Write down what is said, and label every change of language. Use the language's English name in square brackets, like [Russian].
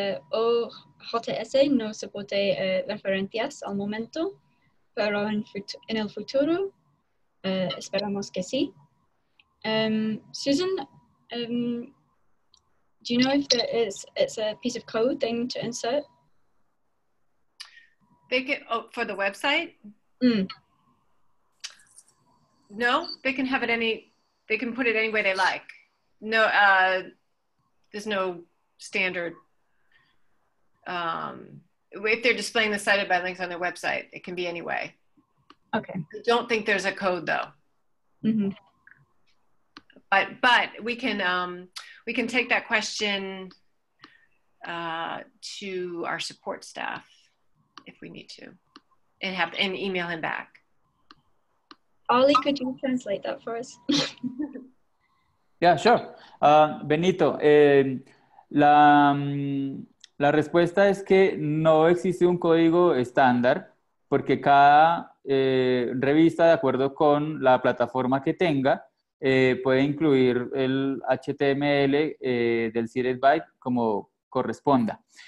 [Spanish] OJS no soporta referencias al momento, pero en el futuro esperamos que sí. [English] Susan, do you know if it's a piece of code they need to insert? For the website? No, they can have it they can put it any way they like. No, there's no standard. If they're displaying the cited by links on their website, it can be any way. Okay. I don't think there's a code though. Mm-hmm. But we can take that question to our support staff if we need to, and email him back. Ollie, could you translate that for us? Yeah, sure. [Spanish] Benito, la respuesta es que no existe un código estándar porque cada revista, de acuerdo con la plataforma que tenga, puede incluir el HTML del Cited by como corresponda.